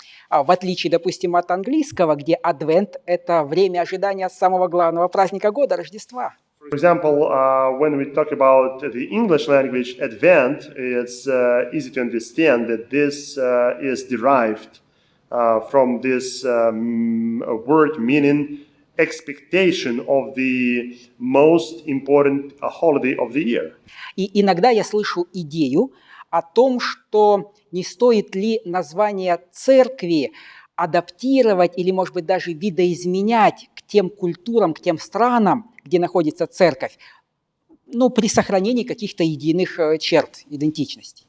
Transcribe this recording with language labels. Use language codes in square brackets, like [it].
[ru] В отличие, допустим, от английского, где Advent – это время ожидания самого главного праздника года – Рождества. [en] For example, when we talk about the English language, Advent, it's easy to understand that this is derived from this word meaning expectation of the most important holiday of the year. [ru] И иногда я слышу идею о том, что не стоит ли название церкви адаптировать или, может быть, даже видоизменять к тем культурам, к тем странам, где находится церковь, ну, при сохранении каких-то единых черт идентичности.